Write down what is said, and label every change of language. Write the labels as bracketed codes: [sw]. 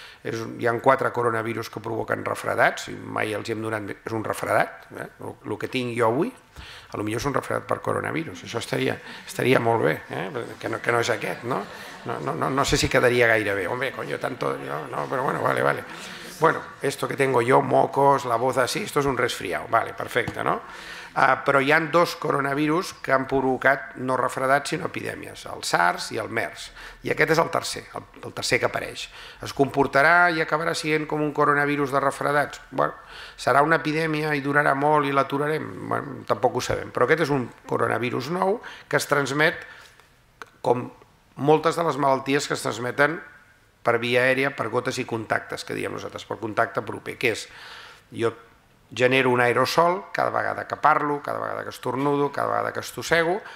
[ca] Hi ha quatre coronavirus que provoquen refredats, i mai els hi hem donat, és un refredat, el que tinc jo avui, potser és un refredat per coronavirus, això estaria molt bé, que no és aquest, no sé si quedaria gaire bé, home, [es] coño, tanto, [ca] no, però bueno, vale. [es] Bueno, esto que tengo yo, mocos, la voz así, esto es un resfriado, vale, perfecte, no? [ca] Però hi ha dos coronavirus que han provocat no refredats sinó epidèmies, el SARS i el MERS, i aquest és el tercer que apareix. Es comportarà i acabarà sent com un coronavirus de refredats? Bueno, serà una epidèmia i durarà molt i l'aturarem? Bueno, tampoc ho sabem, però aquest és un coronavirus nou que es transmet com moltes de les malalties que es transmeten per via aèria, per gotes i contactes, que diem nosaltres, per contacte proper, que és, jo genero un aerosol cada vegada que parlo, cada vegada que estornudo, cada vegada que estossego.